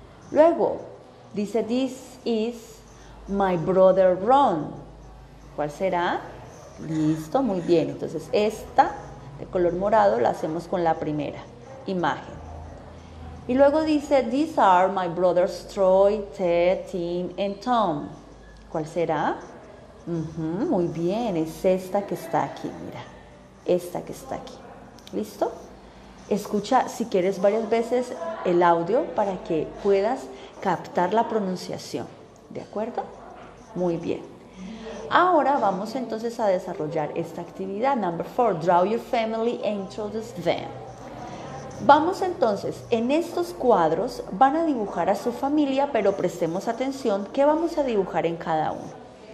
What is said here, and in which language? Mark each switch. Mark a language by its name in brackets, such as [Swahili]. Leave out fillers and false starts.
[Spanish] Luego, dice [English] this is my brother Ron. [Spanish] ¿Cuál será? Listo, muy bien. Entonces, esta de color morado la hacemos con la primera imagen. Y luego dice, [English] these are my brothers Troy, Ted, Tim and Tom. [Spanish] ¿Cuál será? Muy bien, es esta que está aquí, mira. Esta que está aquí. ¿Listo? Escucha, si quieres, varias veces el audio para que puedas captar la pronunciación. ¿De acuerdo? Muy bien. Ahora vamos entonces a desarrollar esta actividad. [English] Number 4, draw your family and introduce them. [Spanish] Vamos entonces, en estos cuadros van a dibujar a su familia, pero prestemos atención, ¿qué vamos a dibujar en cada uno?